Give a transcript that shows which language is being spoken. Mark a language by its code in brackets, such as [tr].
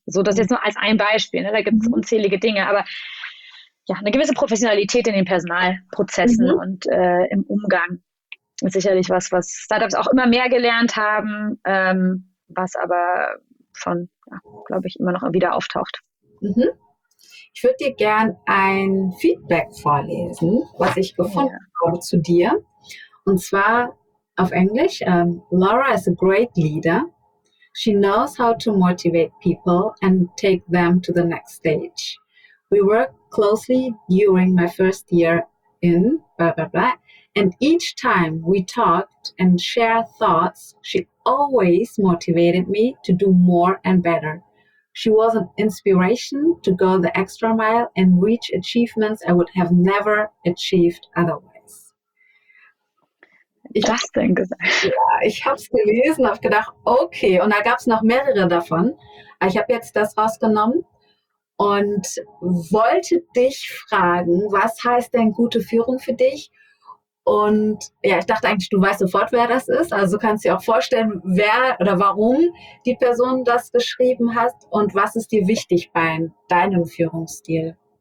[de] So, das jetzt nur als ein Beispiel, ne? Da gibt es unzählige Dinge, aber ja, eine gewisse Professionalität in den Personalprozessen und im Umgang ist sicherlich was Startups auch immer mehr gelernt haben, was aber schon, glaube ich, immer noch wieder auftaucht. Mhm. Ich würde dir gern ein Feedback vorlesen, was ich gefunden habe zu dir. Und zwar auf Englisch. [en] Laura is a great leader. She knows how to motivate people and take them to the next stage. We work closely during my first year in blah blah blah, and each time we talked and shared thoughts, she always motivated me to do more and better. She was an inspiration to go the extra mile and reach achievements I would have never achieved otherwise. [de] Ich habe es gelesen, habe gedacht, okay, und da gab es noch mehrere davon. Ich habe jetzt das rausgenommen. Und wollte dich fragen, was heißt denn gute Führung für dich? Und ja, ich dachte eigentlich, du weißt sofort, wer das ist. Also kannst du dir auch vorstellen, wer oder warum die Person das geschrieben hat und was ist dir wichtig bei deinem Führungsstil?